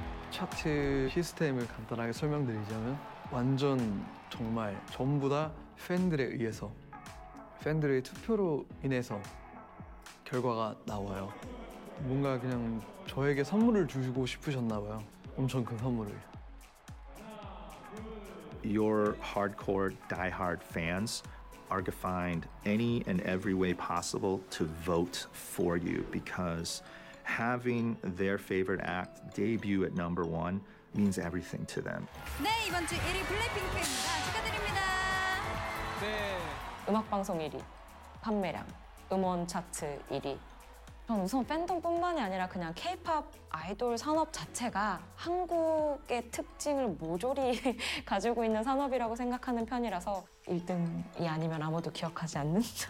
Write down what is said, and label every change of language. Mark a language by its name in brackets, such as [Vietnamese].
[Korean] 차트 시스템을 간단하게 설명드리자면 완전 정말 전부 다 팬들에 의해서 팬들의 투표로 인해서 결과가 나와요. 뭔가 그냥 저에게 선물을 주시고 싶으셨나 봐요. 엄청 큰 선물을. [English] Your hardcore diehard fans are defined any and every way possible to vote for you because having their favorite act debut at number one means everything to them. [Korean] 네, 이번 주 1위 블랙핑 팬입니다. 축하드립니다. 네. 음악 방송 1위, 판매량, 음원 차트 1위. 전 우선 팬덤뿐만이 아니라 그냥 K-POP 아이돌 산업 자체가 한국의 특징을 모조리 가지고 있는 산업이라고 생각하는 편이라서 1등이 아니면 아무도 기억하지 않는.